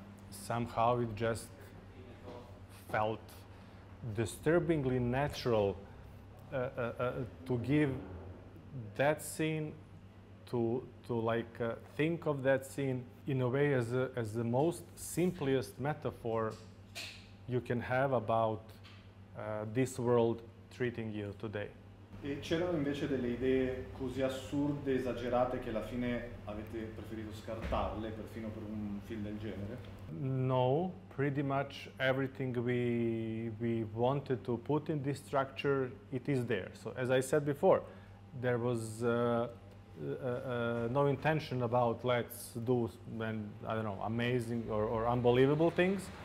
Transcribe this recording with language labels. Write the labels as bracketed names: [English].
[English] Somehow it just felt disturbingly natural to give that scene, to think of that scene in a way as the most simplest metaphor you can have about this world treating you today. [Italian] E c'erano invece delle idee così assurde, esagerate, che alla fine avete preferito scartarle, perfino per un film del genere? [English] No, pretty much everything we wanted to put in this structure, it is there. So as I said before, there was no intention about let's do, when I don't know, amazing or unbelievable things.